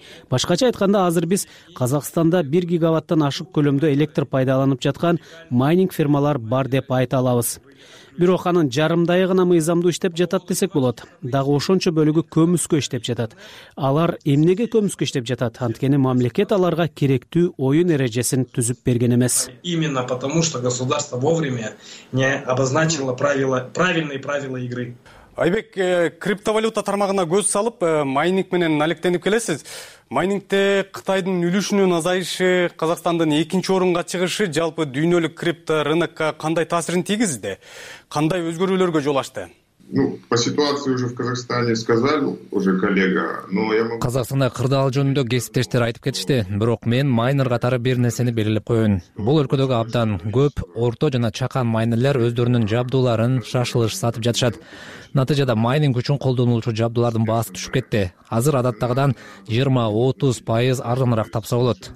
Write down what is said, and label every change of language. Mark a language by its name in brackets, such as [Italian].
[Kyrgyz] Башкача айтканда, азыр биз Казакстанда 1 гигаваттан ашык көлөмдө электр пайдаланып жаткан майнинг фермалар бар деп айта алабыз. Бирок анын жарымдайы гана мыйзамдуу иштеп жатат десек болот. Дагы ошончо бөлүгү көмүскө иштеп жатат. Алар эмнеге көмүскө иштеп жатат? Анткени мамлекет аларга керектүү оюн эрежесин түзүп берген эмес. [Russian] Именно потому что государство вовремя не обозначило правильные правила игры. [Kyrgyz] Айбек, криптовалюта тармагына көз салып, майнинг менен алектенип келесиз. Майнингте Кытайдын үлүшүнүн азайышы, Казакстандын экинчи орунга чыгышы жалпы дүйнөлүк крипто рынокко кандай таасирин тийгизди? Кандай өзгөрүүлөргө жол ачты? [Russian] Ну, по ситуации уже в Казахстане сказали уже коллега, но я могу... [Kyrgyz] Казахстанда кырдаал жөнүндө кесиптештер айтып кетишти, бирок мен майнер катары бир нерсени белгилеп коеюн. Бул өлкөдөгү абдан көп орто жана чакан майнерлер өздөрүнүн жабдууларын шашылыш сатып жатышат. Натыйжада майнинг үчүн колдонулуучу жабдуулардын баасы түшүп кетти. Азыр адаттагыдан 20-30% арзаныраак тапса болот.